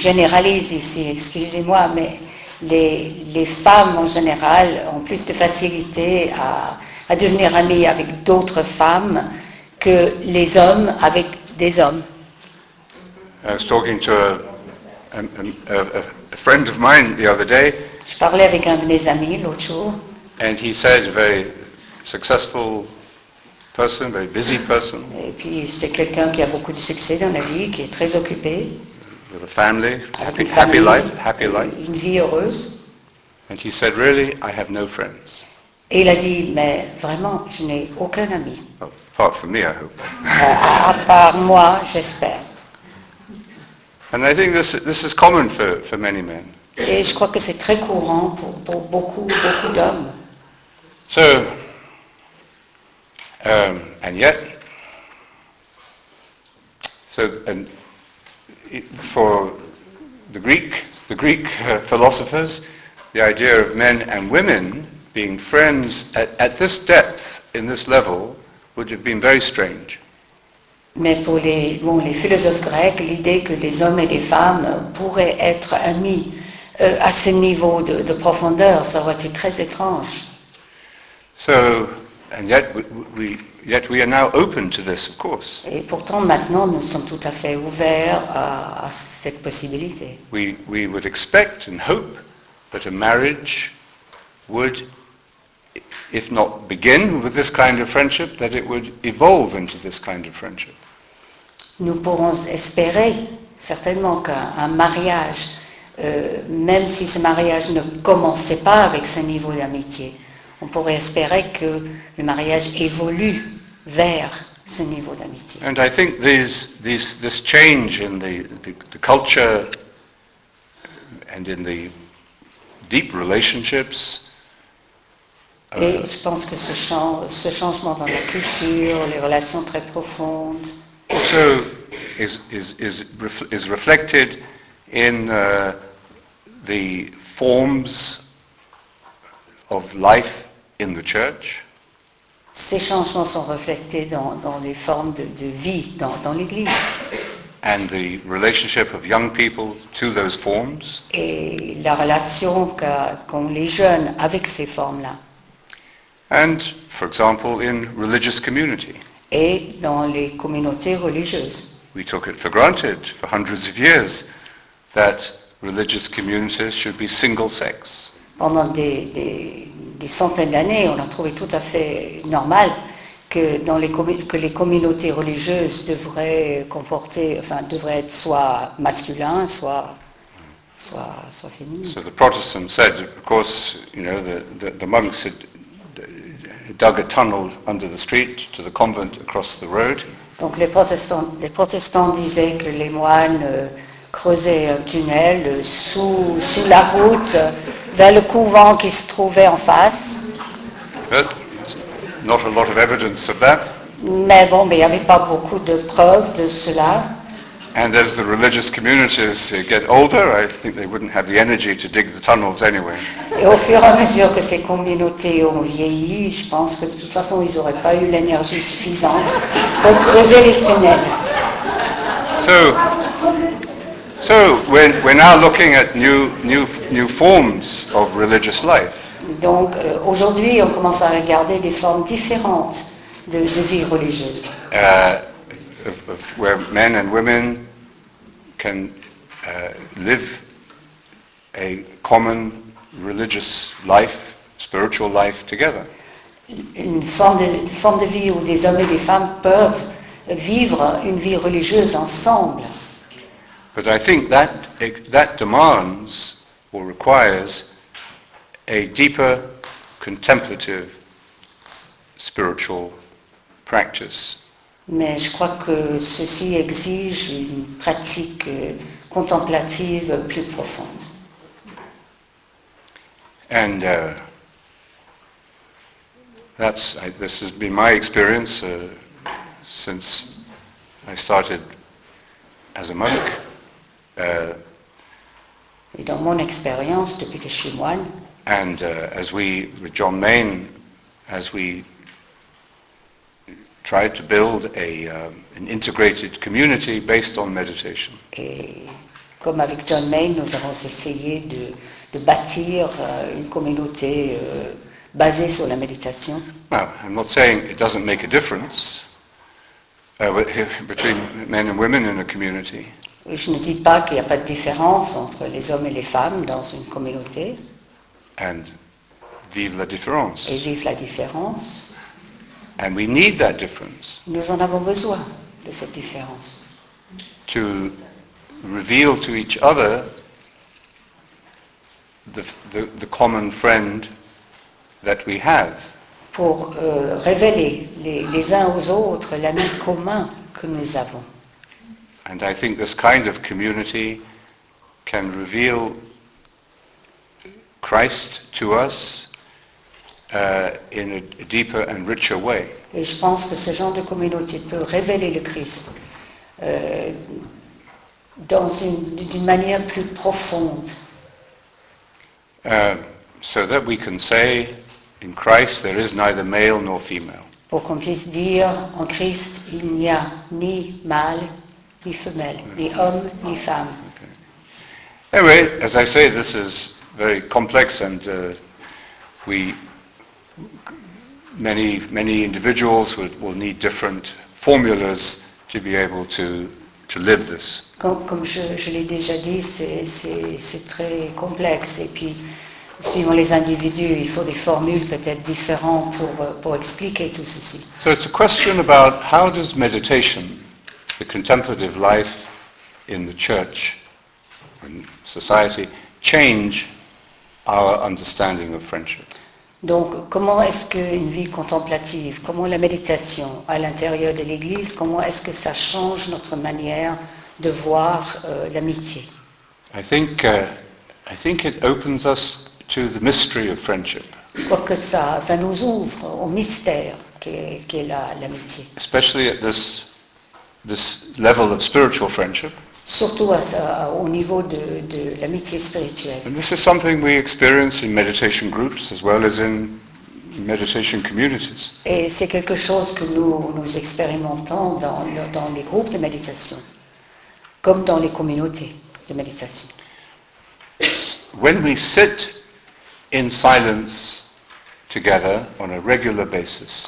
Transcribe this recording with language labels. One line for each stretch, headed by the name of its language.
French: Excusez-moi, mais les femmes en général ont plus de facilité à devenir amies avec d'autres femmes que les hommes avec des hommes.
English: I was talking to a friend of mine the other day.
French: Je parlais avec un de mes amis l'autre jour.
English: And he said, a very successful person, very busy person.
French: Et puis c'est quelqu'un qui a beaucoup de succès dans la vie, qui est très occupé.
English: With a family, happy life.
French: Une vie heureuse.
English: And he said, really, I have no friends.
French: Et il a dit, mais vraiment, je n'ai aucun ami.
English: Apart from me, I hope.
French: À part moi, j'espère.
English: And I think this is common for many men.
French: Et je crois que c'est très courant pour beaucoup d'hommes.
English: So, and yet, so and for the Greek philosophers, the idea of men and women being friends at this depth, in this level, would have been very strange.
French: Mais pour les philosophes grecs, l'idée que les hommes et les femmes pourraient être amis à ce niveau de profondeur, ça aurait été très étrange.
English: So, and yet we are now open to this, of course.
French: Et pourtant, maintenant, nous sommes tout à fait ouverts à cette possibilité.
English: We would expect and hope that a marriage would, if not begin with this kind of friendship, that it would evolve into this kind of friendship.
French: Nous pourrons espérer certainement qu'un mariage, même si ce mariage ne commençait pas avec ce niveau d'amitié, on pourrait espérer que le mariage évolue vers ce niveau d'amitié.
English: And I think this change in the culture and in the deep relationships.
French: Et je pense que ce changement dans la culture, les relations très profondes.
English: Also is reflected in the forms of life in the church.
French: Ces changements sont reflétés dans les formes de vie dans l'Église.
English: And the relationship of young people to those forms.
French: Et la relation qu'ont les jeunes avec ces formes-là.
English: And, for example, in religious community.
French: Et dans les communautés religieuses.
English: We took it for granted for hundreds of years that religious communities should be single-sex.
French: Pendant des centaines d'années, on a trouvé tout à fait normal que les communautés religieuses devraient être soit masculin, soit féminin.
English: So the Protestants said, of course, you know, the monks had dug a tunnel under the street to the convent across the road.
French: Donc les protestants disaient que les moines creusaient un tunnel sous la route vers le couvent qui se trouvait en face.
English: But not a lot of evidence of that.
French: Mais bon, mais il n'y avait pas beaucoup de preuves de cela.
English: And as the religious communities get older, I think they wouldn't have the energy to dig the tunnels anyway.
French: Et au fur et à mesure que ces communautés ont vieilli, je pense que de toute façon, ils n'auraient pas eu l'énergie suffisante pour creuser les tunnels.
English: So we're now looking at new forms of religious life.
French: Donc aujourd'hui, on commence à regarder des formes différentes de vie religieuse.
English: Of where men and women can live a common religious life, spiritual life together.
French: Une forme de vie où des hommes et des femmes peuvent vivre une vie religieuse ensemble.
English: But I think that demands or requires a deeper contemplative spiritual practice.
French: Mais je crois que ceci exige une pratique contemplative plus profonde.
English: And this has been my experience since I started as a monk.
French: Et dans mon expérience depuis que je suis moine.
English: And as we with John Main, as we tried to build an integrated community based on meditation.
French: Et comme avec John Main, nous avons essayé de bâtir une communauté basée sur la méditation.
English: Well, I'm not saying it doesn't make a difference between men and women in a community.
French: Je ne dis pas qu'il n'y a pas de différence entre les hommes et les femmes dans une communauté.
English: And vive la différence.
French: Et vive la différence.
English: And we need that difference.
French: Nous en avons besoin de cette différence.
English: To reveal to each other the common friend that we have.
French: Pour révéler les uns aux autres l'ami commun que nous avons.
English: And I think this kind of community can reveal Christ to us in a deeper and richer way.
French: Et je pense que ce genre de communauté peut révéler le Christ d'une manière plus profonde.
English: So that we can say, in Christ, there is neither male nor female.
French: Pour qu'on puisse dire, en Christ, il n'y a ni mâle, ni femelle, ni homme, ni femme.
English: Okay. Anyway, as I say, this is very complex and many, many individuals will need different formulas to be able to live this.
French: Comme je l'ai déjà dit, c'est très complexe. Et puis, suivant les individus, il faut des formules peut-être différentes pour expliquer tout ceci.
English: So it's a question about how does meditation, the contemplative life in the church and society, change our understanding of friendship?
French: Donc, comment est-ce qu'une vie contemplative, comment la méditation à l'intérieur de l'Église, comment est-ce que ça change notre manière de voir l'amitié?
English: I think it opens us to the mystery of friendship.
French: Je crois que ça nous ouvre au mystère qu'est l'amitié.
English: Especially at this level of spiritual friendship.
French: Surtout à ça, au niveau de l'amitié spirituelle.
English: And this is something we experience in meditation groups as well as in meditation communities.
French: Et c'est quelque chose que nous expérimentons dans les groupes de méditation, comme dans les communautés de méditation.
English: When we sit in silence together on a regular basis.